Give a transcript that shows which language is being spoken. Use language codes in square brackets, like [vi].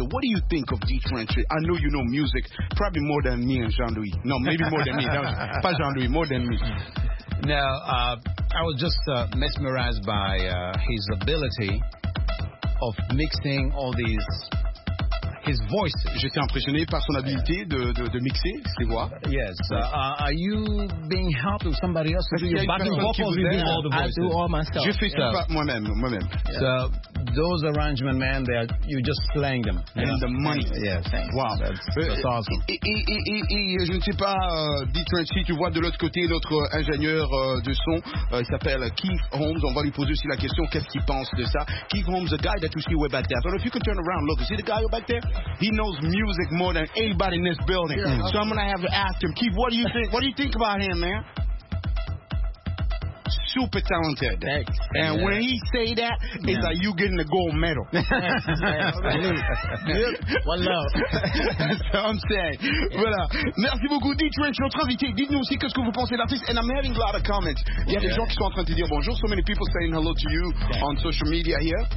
[en] What do you think of Dave Trenton? I know you know music. Probably more than me and Jean-Louis. No, maybe more than me. No, pas Jean-Louis, more than me. Now, I was just mesmerized by his ability of mixing all these, his voice. [fr] J'étais impressionné par son habileté de mixer ses voix. [en] Yes. Are you being helped with somebody else to do your backing vocals? I do all myself. [fr] Je fais ça moi-même. [en] So those arrangements, man, they are, you're just playing them. And yeah, the money. Yes. Wow. That's awesome. [fr] Et je ne sais pas, Dietrich, si tu vois de l'autre côté notre ingénieur de son, il s'appelle Keith Holmes. On va lui poser aussi la question, qu'est-ce qu'il pense de ça? [en] Keith Holmes, the guy that you see way back there. I don't know if you can turn around, look, see the guy back there? He knows music more than anybody in this building. Yeah, okay. So I'm gonna have to ask him, Keith, what do you think? What do you think about him, man? Super talented. Thanks. And yeah, when he say that, yeah, it's like you getting a gold medal. One love. So I'm saying. [fr] Voilà. Merci beaucoup, Dietrich, notre invité. Dites-nous aussi qu'est-ce que vous pensez de l'artiste. [en] And I'm having a lot of comments. [fr] Il y a des gens qui sont en train de dire bonjour. [en] So many people saying hello to you on social media here.